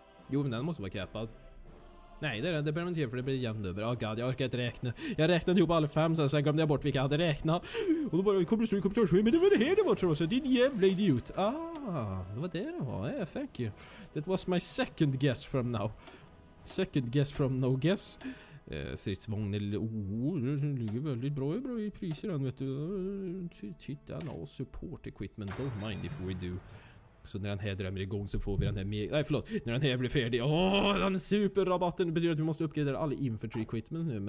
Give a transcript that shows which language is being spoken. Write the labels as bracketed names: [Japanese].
[Swedish] Jo, men den måste vara capad. Nej, det är den. Det behöver inte göra för det blir jämnt över. Åh, god, jag orkar inte räkna. Jag räknade ihop alla fem sen glömde jag bort vilka jag hade räknat. Och då bara, kom du, men det var det här det var, tror jag. Din jävla idiot. Ah, det var det var. [English] Yeah, thank you. That was my second guess from now. Second guess from no guess. [Swedish] Stridsvagnel, oh, den ligger väldigt bra, bra i priser den, vet du. Titta, han har support equipment. [English] Don't mind if we do. [Swedish] Så när den här drömmer igång så får vi den här med. Nej, förlåt. När den här blir färdig. Åh, den superrabatten. Det betyder att vi måste uppgradera all infantry equipment nu.